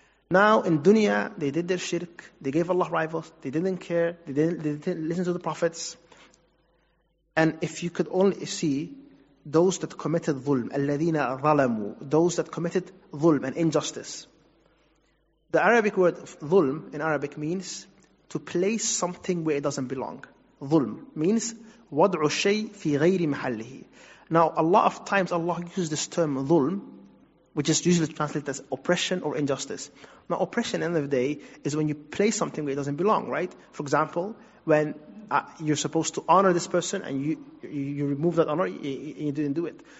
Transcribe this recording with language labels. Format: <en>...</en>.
<en>Now in dunya, they did their shirk, they gave Allah rivals, they didn't care, they didn't listen to the prophets. And if you could only see those that committed ظلم,</en> <ar>الَّذِينَ ظَلَمُوا,</ar> <en>those that committed ظلم, an injustice. The Arabic word ظلم in Arabic means to place something where it doesn't belong.</en> <ar>ظلم</ar> <en>means</en> <ar>وَضْعُ الشَّيْءِ فِي غَيْرِ مَحَلِّهِ.</ar> <en>Now, a lot of times Allah uses this term ظلم, which is usually translated as oppression or injustice. Now, oppression, at the end of the day, is when you place something where it doesn't belong, right? For example, when you're supposed to honor this person and you remove that honor, you didn't do it.</en>